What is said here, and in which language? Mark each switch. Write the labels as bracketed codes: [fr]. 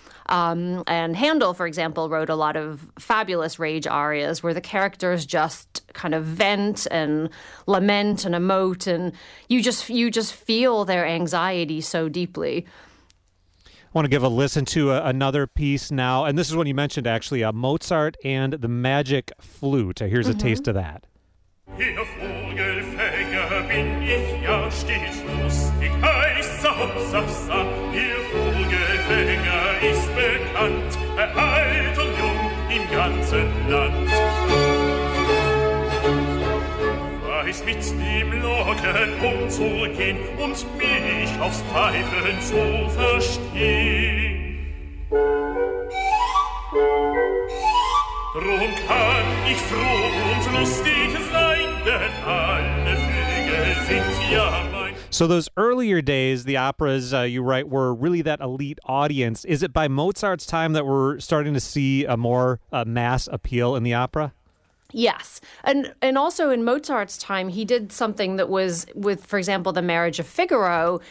[en] And Handel, for example, wrote a lot of fabulous rage arias where the characters just kind of vent and lament and emote, and you just feel their anxiety so deeply. I want to give a listen to another piece now. And this is one you mentioned, actually, Mozart and the Magic Flute. Here's a taste of that. [de] In a Vogelfänger bin ich ja stets lustig, heißa hopsasa, ihr Vogelfänger ist bekannt, alt und jung im ganzen Land. Weiß mit dem Locken umzugehen und mich aufs Pfeifen zu verstehen. Drum kann ich froh und lustig sein, denn alle Vögel sind ja mein. [en] So those earlier days, the operas, you write, were really that elite audience. Is it by Mozart's time that we're starting to see a more mass appeal in the opera? Yes. And also in Mozart's time, he did something that was with, for example, The Marriage of Figaro.